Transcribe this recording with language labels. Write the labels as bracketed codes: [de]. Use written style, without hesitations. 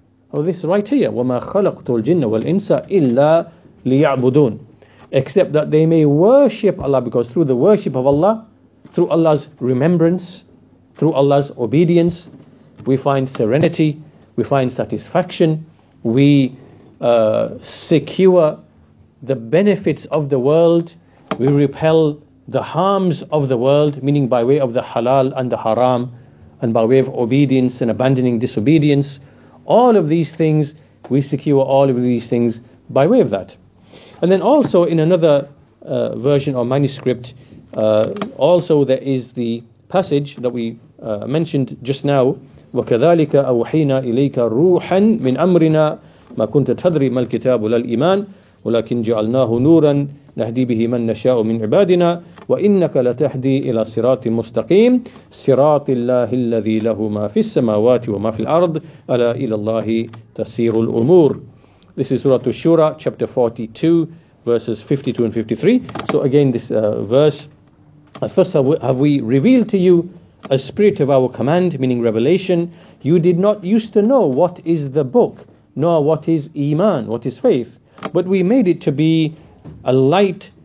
[en] Well, this right here, [ar] وَمَا خَلَقْتُ الْجِنَّ وَالْإِنسَ إِلَّا لِيَعْبُدُونَ, [en] except that they may worship Allah, because through the worship of Allah, through Allah's remembrance, through Allah's obedience, we find serenity, we find satisfaction, we secure the benefits of the world, we repel the harms of the world, meaning by way of the halal and the haram, and by way of obedience and abandoning disobedience. All of these things, we secure all of these things by way of that. And then also in another version or manuscript, also there is the passage that we mentioned just now, [ar] وَكَذَلِكَ أَوْحَيْنَا إِلَيْكَ رُوحًا مِّنْ أَمْرِنَا مَا كُنْتَ تَدْرِي مَا الْكِتَابُ لَا الْإِيمَانِ وَلَكِنْ جَعَلْنَاهُ نُورًا نَهْدِي بِهِ مَنْ نَشَاءُ مِنْ عِبَادِنَا وَإِنَّكَ لَتَهْدِي إِلَى صِرَاطٍ مُسْتَقِيمٍ صِرَاطِ اللَّهِ الَّذِي لَهُ مَا فِي السَّمَاوَاتِ وَمَا فِي الْأَرْضِ أَلَا إِلَى اللَّهِ تَسِيرُ الْأُمُورِ. [en] This is Surah Ash-Shura, chapter 42, verses 52 and 53. So again, this verse, thus have we revealed to you a spirit of our command, meaning revelation. You did not used to know what is the book, nor what is Iman, what is faith, but we made it to be a light